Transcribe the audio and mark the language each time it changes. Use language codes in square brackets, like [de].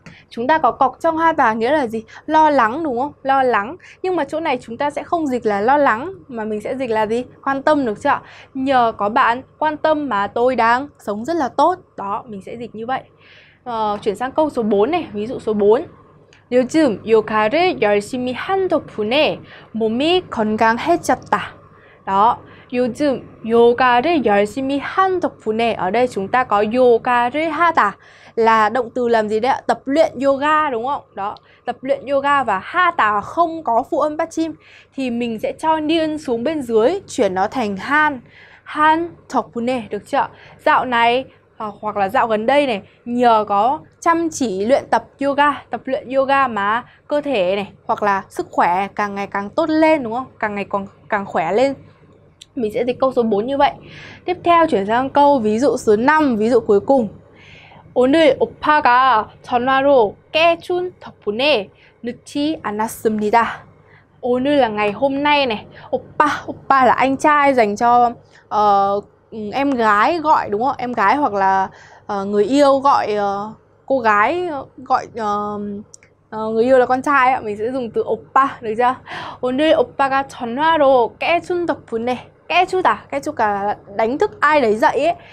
[vi] Chúng ta có 걱정하다 nghĩa là gì? Lo lắng đúng không? Lo lắng. Nhưng mà chỗ này chúng ta sẽ không dịch là lo lắng mà mình sẽ dịch là gì? Quan tâm, được chưa? Nhờ có bạn quan tâm mà tôi đang sống rất là tốt. Đó, mình sẽ dịch như vậy. Chuyển sang câu số 4 này, ví dụ số 4. [ko] 요즘 요가를 열심히 한 덕분에 몸이 건강해졌다. [vi] Đó, [ko] 요즘 요가를 열심히 한 덕분에 [vi] ở đây chúng ta có yoga를 하다 là động từ làm gì đấy ạ? Tập luyện yoga đúng không? Đó, tập luyện yoga và hata không có phụ âm bắt chim thì mình sẽ cho niên xuống bên dưới chuyển nó thành han. Han tokune được chưa? Dạo này hoặc là dạo gần đây này, nhờ có chăm chỉ luyện tập yoga, tập luyện yoga mà cơ thể này hoặc là sức khỏe càng ngày càng tốt lên đúng không? Càng ngày càng khỏe lên. Mình sẽ dịch câu số 4 như vậy. Tiếp theo chuyển sang câu ví dụ số 5, ví dụ cuối cùng. [ko] 오늘 오빠가 전화로 깨준 덕분에 늦지 않았습니다. [vi] 오늘 là ngày hôm nay này. 오빠, 오빠 là anh trai dành cho em gái gọi đúng không? Em gái hoặc là người yêu gọi cô gái gọi người yêu là con trai ạ. Mình sẽ dùng từ 오빠 được chưa? [ko] 오늘 오빠가 전화로 깨준 덕분에 [vi] 깨주다 là đánh thức ai đấy dậy ấy.